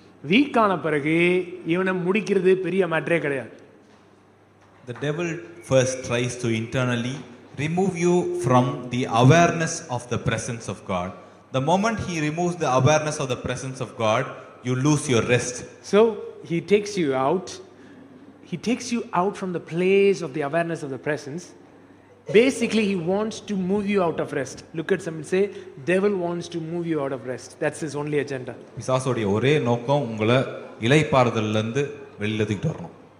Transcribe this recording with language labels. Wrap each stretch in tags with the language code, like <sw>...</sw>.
<ta>Week ஆன பிறகு இவனை முடிக்கிறது பெரிய மேட்டரே கிடையாது.</ta> <en>The devil first tries to internally remove you from the awareness of the presence of God. The moment he removes the awareness of the presence of God, you lose your rest. So he takes you out. He takes you out from the place of the awareness of the presence. Basically, he wants to move you out of rest. Look at someone and say, devil wants to move you out of rest. That's his only agenda.</en> <ta>பிசாசோட ஒரே நோக்கம் உங்களை இளைப்பாறுதல்ல இருந்து வெளியில தூக்கிட்டு வரணும்.</ta>